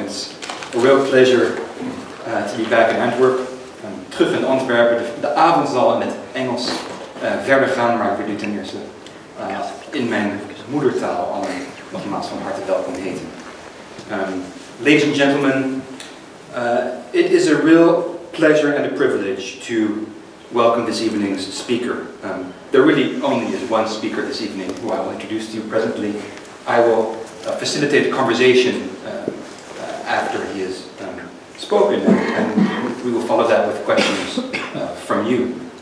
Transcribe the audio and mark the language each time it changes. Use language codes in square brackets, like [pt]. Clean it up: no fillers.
[en] It's a real pleasure to be back in Antwerp. [nl] Terug in Antwerp, de avond zal in het Engels verder gaan, maar ik wil u ten eerste in mijn moedertaal al nogmaals van harte welkom heten. [en] Ladies and gentlemen, it is a real pleasure and a privilege to welcome this evening's speaker. There really only is one speaker this evening who I will introduce to you presently. I will facilitate a conversation after he has spoken, and we will follow that with questions from you.